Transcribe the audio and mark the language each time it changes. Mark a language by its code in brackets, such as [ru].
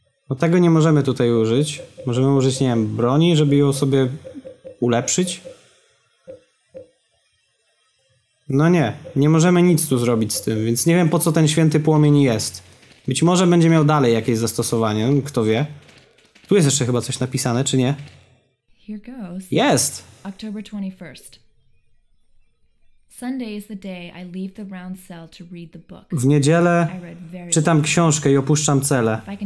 [pl] No tego nie możemy tutaj użyć. Możemy użyć, nie wiem, broni, żeby ją sobie ulepszyć. No nie, nie możemy nic tu zrobić z tym, więc nie wiem, po co ten święty płomień jest. Być może będzie miał dalej jakieś zastosowanie, kto wie. Tu jest jeszcze chyba coś napisane, czy nie? Jest! [en] October 21st. Sunday is the day I leave the round cell to read the book. [pl] W niedzielę czytam książkę i opuszczam celę.